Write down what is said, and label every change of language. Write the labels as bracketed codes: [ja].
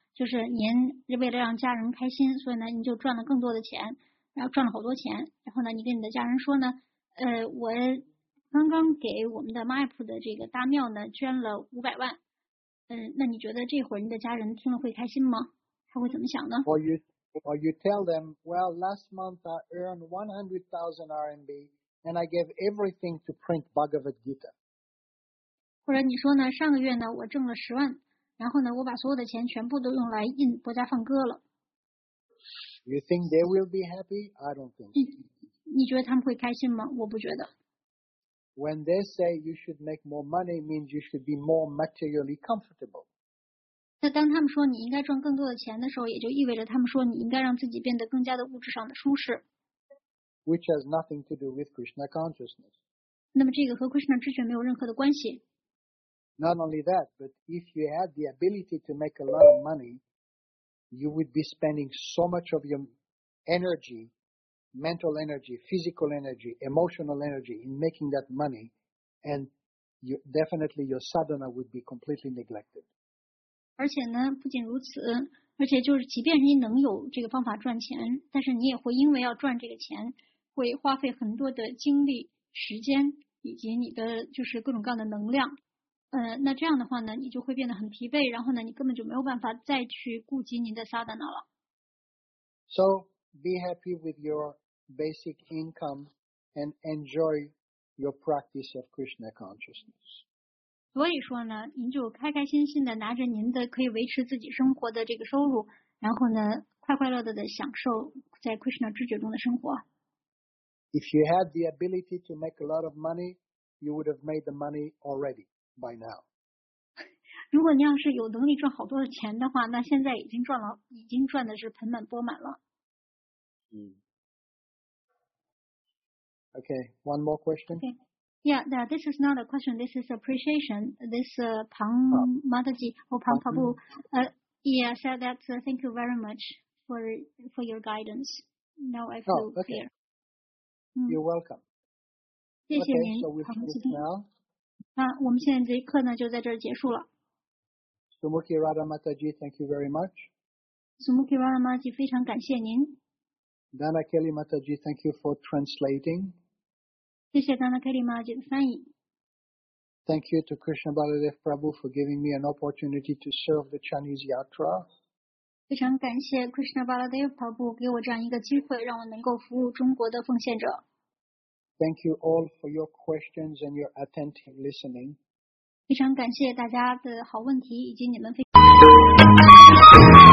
[zh] 就是您为了让家人开心，所以呢，您就赚了更多的钱，然后赚了好多钱。然后呢，你跟你的家人说呢，我刚刚给我们的麦普的这个大庙呢捐了500万。那你觉得这会儿你的家人听了会开心吗？他会怎么想呢 [en] ？Or you tell them, well, last month I earned 100,000 RMB and I gave everything to print Bhagavad Gita. [zh] 或者你说呢，上个月呢我挣了100,000。然后呢，我把所有的钱全部都用来印《博家梵歌》了。 [en] You think they will be happy? I don't think. [zh] 你觉得他们会开心吗？我不觉得。 [en] When they say you should make more money, means you should be more materially comfortable. [zh] 那当他们说你应该赚更多的钱的时候，也就意味着他们说你应该让自己变得更加的物质上的舒适。 [en] Which has nothing to do with Krishna consciousness. [zh] 那么这个和 Krishna 知觉没有任何的关系。 [en] Not only that, but if you had the ability to make a lot of money, you would be spending so much of your energy, mental energy, physical energy, emotional energy in making that money, and you, definitely your sadhana would be completely neglected. [zh] 而且呢，不仅如此，而且就是即便你能有这个方法赚钱，但是你也会因为要赚这个钱，会花费很多的精力、时间以及你的就是各种各样的能量。那这样的话呢，你就会变得很疲惫，然后呢，你根本就没有办法再去顾及您的sadhana了。 [en] So be happy with your basic income and enjoy your practice of Krishna consciousness. [zh] 所以说呢，您就开开心心的拿着您的可以维持自己生活的这个收入，然后呢，快快乐乐的享受在 Krishna 知觉中的生活。 [en] If you had the ability to make a lot of money, you would have made the money already. By now. [zh] 如果你要是有能力赚好多的钱的话，那现在已经赚的是盆满钵满了。 [en] Okay, one more question. Okay. Yeah, this is not a question. This is appreciation. This Pang Mataji or Pang Prabhu, yeah, said that thank you very much for your guidance. Now I feel clear. Okay. You're welcome. [zh] 谢谢您，唐启斌。那我们现在这一课呢，就在这儿结束了。 [en] Sumukhi Radha Mataji, thank you very much. [zh] Sumukhi Radha Mataji, 非常感谢您。 [en] Dana Kelly Mataji, thank you for translating. [zh] 谢谢 Dana Kelly Mataji 的翻译。 [en] Thank you to Krishna Baladev Prabhu for giving me an opportunity to serve the Chinese Yatra. [zh] 非常感谢 Krishna Baladev Prabhu 给我这样一个机会，让我能够服务中国的奉献者。 [en] Thank you all for your questions and your attentive listening. [zh] 非常感谢大家的好问题以及你们非常。